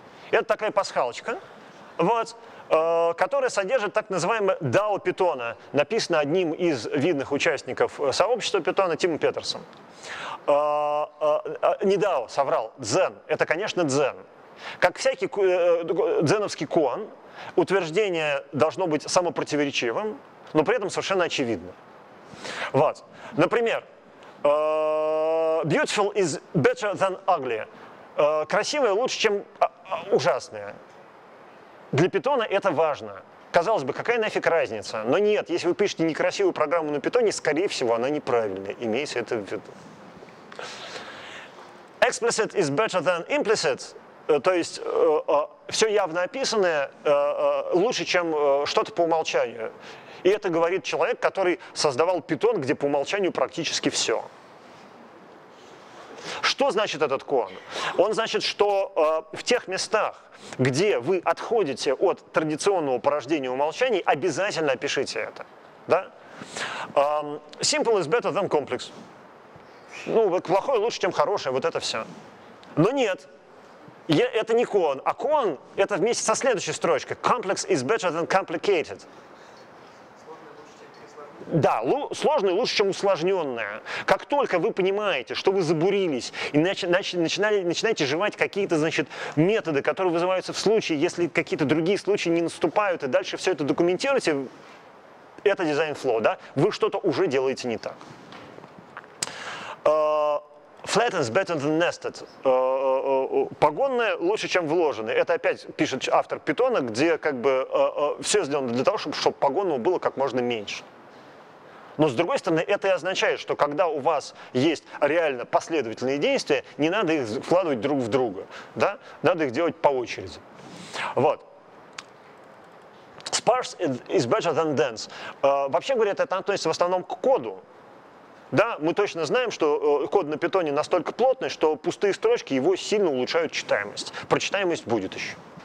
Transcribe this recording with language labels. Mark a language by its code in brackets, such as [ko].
[ru] Это такая пасхалочка. Вот. Которая содержит так называемое DAO Питона, написано одним из видных участников сообщества Питона Тимом Петерсом. Не DAO, соврал, дзен. Это, конечно, дзен. Как всякий дзеновский коан, утверждение должно быть самопротиворечивым, но при этом совершенно очевидно. Вот. Например, [en] beautiful is better than ugly. [ru] Красивое лучше, чем ужасное. Для Питона это важно. Казалось бы, какая нафиг разница? Но нет, если вы пишете некрасивую программу на Питоне, скорее всего, она неправильная. Имеется это в виду. [en] Explicit is better than implicit. [ru] То есть все явно описанное лучше, чем что-то по умолчанию. И это говорит человек, который создавал Питон, где по умолчанию практически все. Что значит этот коан? Он значит, что в тех местах, где вы отходите от традиционного порождения умолчаний, обязательно опишите это. Да? [en] Simple is better than complex. [ru] Ну, плохое лучше, чем хорошее, вот это все. Но нет, это не коан. А коан – это вместе со следующей строчкой. [en] Complex is better than complicated. [ru] Да, сложное лучше, чем усложненное. Как только вы понимаете, что вы забурились, и начинаете жевать какие-то, значит, методы, которые вызываются в случае, если какие-то другие случаи не наступают, и дальше все это документируете, это дизайн-флоу, да? Вы что-то уже делаете не так. [en] Flattened is better than nested. [ru] Погонное лучше, чем вложенное. Это опять пишет автор Питона, где как бы все сделано для того, чтобы погонного было как можно меньше. Но, с другой стороны, это и означает, что когда у вас есть реально последовательные действия, не надо их вкладывать друг в друга, да? Надо их делать по очереди. Вот. [en] Sparse is better than dense. [ru] Вообще говоря, это относится в основном к коду. Да? Мы точно знаем, что код на Питоне настолько плотный, что пустые строчки его сильно улучшают читаемость. Прочитаемость будет еще.